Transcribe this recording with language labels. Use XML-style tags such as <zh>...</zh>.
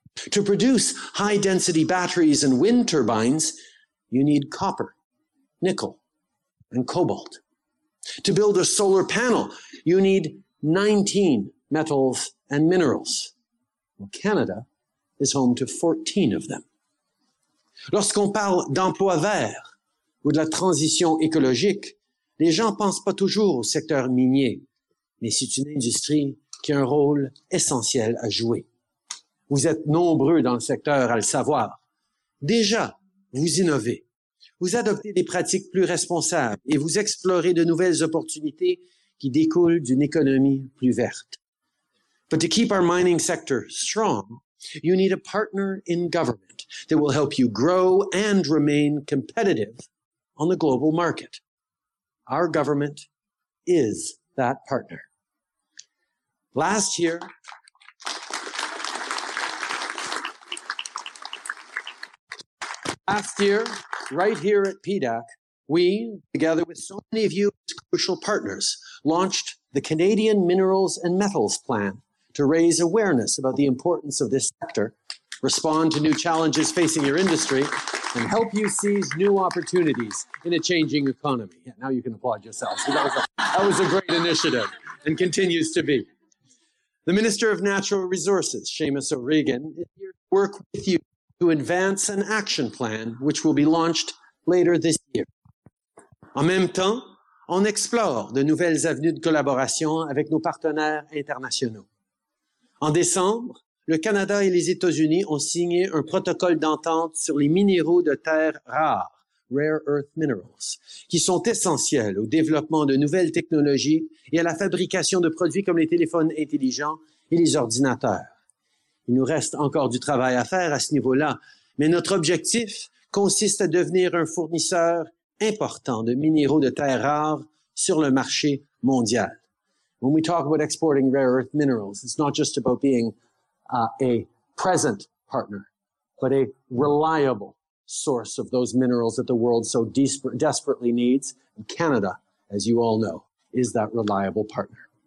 <en>To produce high-density batteries and wind turbines, you need copper, nickel, and cobalt. To build a solar panel, you need 19 metals and minerals. Well, Canada is home to 14 of them.</en> <fr>Lorsqu'on parle d'emploi vert ou de la transition écologique, les gens pensent pas toujours au secteur minier, mais c'est une industrie qui a un rôle essentiel à jouer. Vous êtes nombreux dans le secteur à le savoir. Déjà, vous innovez. Vous adoptez des pratiques plus responsables et vous explorez de nouvelles opportunités qui découlent d'une économie plus verte.</fr> <en>But to keep our mining sector strong, you need a partner in government that will help you grow and remain competitive on the global market. Our government is that partner. Last year, right here at PDAC, we, together with so many of you as crucial partners, launched the Canadian Minerals and Metals Plan to raise awareness about the importance of this sector, respond to new challenges facing your industry, and help you seize new opportunities in a changing economy. Yeah, now you can applaud yourselves. That was a great initiative and continues to be. The Minister of Natural Resources, Seamus O'Regan, is here to work with you to advance an action plan which will be launched later this year.</en> <fr>En même temps, on explore de nouvelles avenues de collaboration avec nos partenaires internationaux. En décembre, le Canada et les États-Unis ont signé un protocole d'entente sur les minéraux de terres rares,</fr> <en>rare earth minerals,</en> <fr>qui sont essentiels au développement de nouvelles technologies et à la fabrication de produits comme les téléphones intelligents et les ordinateurs. Il nous reste encore du travail à faire à ce niveau-là, mais notre objectif consiste à devenir un fournisseur important de minéraux de terres rares sur le marché mondial.</fr> <en>When we talk about exporting rare earth minerals, it's not just about being a present partner, but a reliable source of those minerals that the world so desperately needs. And Canada, as you all know, is that reliable partner.</en>